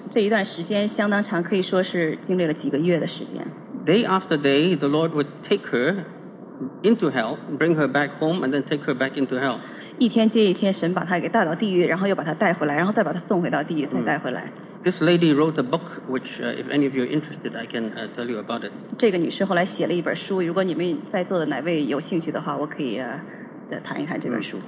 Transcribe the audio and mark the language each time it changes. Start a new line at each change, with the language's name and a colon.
Chinese: 这一段时间相当长，可以说是经历了几个月的时间。
English: Day after day, the Lord would take her. Into hell, bring her back home, and then take her back into hell.
Chinese: 一天接一天，神把她给带到地狱，然后又把她带回来，然后再把她送回到地狱，再带回来。
English: This lady wrote a book, which, if any of you are interested, I can tell you about it.
Chinese: 这个女士后来写了一本书，如果你们在座的哪位有兴趣的话，我可以再谈一谈这本书。